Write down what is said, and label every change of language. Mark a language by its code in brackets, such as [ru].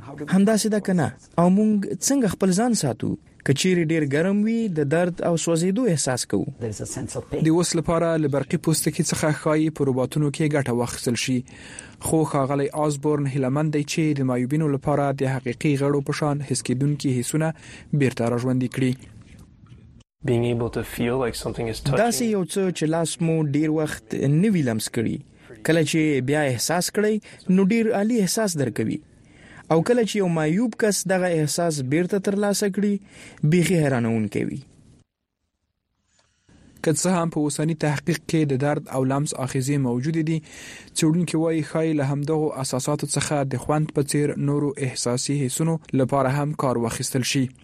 [ps] همداسې ده که نه؟ او موږ څنګه خپل ځان ساتو؟ که چیرې ډیر ګرم وي، د درد او سوزیدو احساس کوو. د اوس لپاره له برقي پوستکي څخه ښایي په روباتونو کې ګټه واخیستل شي. خو ښاغلی آزبورن هیلمند دی چې د معیوبینو لپاره د حقیقي غړو په شان حس کیدونکي حسونه بیرته راژوندي کړي. [en] Being able to feel like something is touching. [ps] داسې یو څه چې لاس مو ډیر وخت نه وی لمس کړي، کله چې بیا احساس کړي نو ډیر عالی احساس درکوي. او کله چې یو مایوب کس دغه احساس بیرته ترلاسه کړي، بیخي حیرانوونکی وي. که څه هم په اوسني تحقیق کې د درد او لمس اخیزي موجود دي، څېړونکي وایي ښایي له همدغو اساساتو څخه د خوند په څیر نورو احساسي حسونو لپاره هم کار واخیستل شي.